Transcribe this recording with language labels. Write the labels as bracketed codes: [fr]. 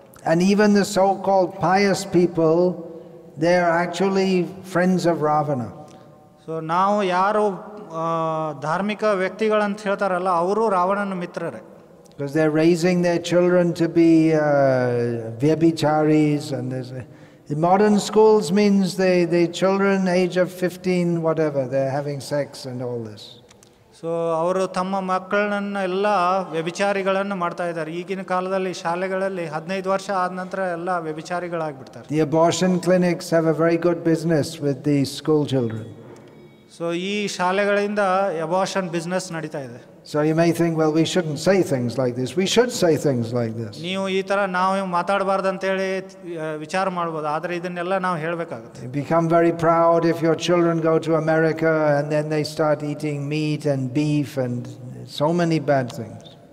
[en] And even the so called pious people, they are actually friends of Ravana. [kn] So ನಾವು ಯಾರು ಧಾರ್ಮಿಕ ವ್ಯಕ್ತಿಗಳಂತ ಹೇಳ್ತಾರಲ್ಲ ಅವರು ರಾವಣನ ಮಿತ್ರರೇ. [en] Because they are raising their children to be ವ್ಯಭಿಚಾರೀಸ್. The modern schools means the children age of 15, whatever, they're having sex and all this. [kn] So ಅವರು ತಮ್ಮ ಮಕ್ಕಳನ್ನ ಎಲ್ಲ ವ್ಯಭಿಚಾರಿಗಳನ್ನು ಮಾಡ್ತಾ ಇದ್ದಾರೆ. ಈಗಿನ ಕಾಲದಲ್ಲಿ ಶಾಲೆಗಳಲ್ಲಿ 15 ವರ್ಷ ಆದ ನಂತರ ಎಲ್ಲ ವ್ಯಭಿಚಾರಿಗಳಾಗ್ಬಿಡ್ತಾರೆ. [en] The abortion clinics have a very good business with the school children. [kn] So ಈ ಶಾಲೆಗಳಿಂದ ಅಬಾರ್ಷನ್ ಬಿಸ್ನೆಸ್ ನಡೀತಾ ಇದೆ. [en] So you may think, well we shouldn't say things like this. We should say things like this. [kn] ನೀವು ಈ ತರ ನಾವು ಮಾತಾಡಬಾರ್ದು ಅಂತೇಳಿ ವಿಚಾರ ಮಾಡ್ಬೋದು, ಆದರೆ ಇದನ್ನೆಲ್ಲ ನಾವು ಹೇಳಬೇಕಾಗುತ್ತೆ. [en] You become very proud if your children go to America and then they start eating meat and beef and so many bad things.